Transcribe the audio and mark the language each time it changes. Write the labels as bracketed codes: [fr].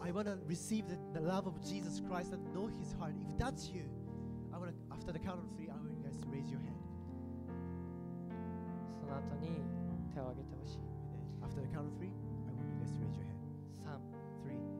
[en] I want to receive the love of Jesus Christ and know his heart. If that's you, I want to, after the count of three, I want you guys to raise your hand. [ja] その後に手を挙げてほしい。 [en] After the count of three,Yes, raise your hand.